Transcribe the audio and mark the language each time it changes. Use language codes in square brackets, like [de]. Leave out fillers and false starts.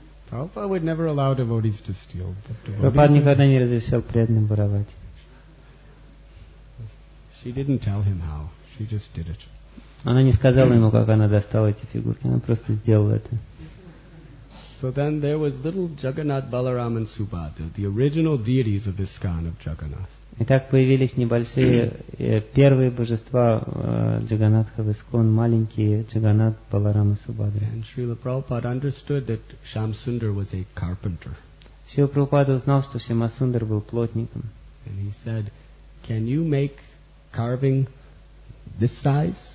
[en] Prabhupada would never allow devotees to steal. [ru] Прабхупада никогда не разрешал преданным воровать. [en] She didn't tell him how. She just did it. [ru] Она не сказала ему, как она достала эти фигурки. Она просто сделала это. [en] So then there was little Jagannath Balaram and Subhadra, the original deities of ISKCON of Jagannath. [ru] Итак, появились небольшие первые божества Джаганатха в ИСКОН, маленькие Джаганат, Баларам и Субхадра. [en] And Srila Prabhupada understood that Shamsundar was a carpenter. [ru] Srila Prabhupada узнал, что Шьямасундар был плотником. [en] And he said, can you make carving this size?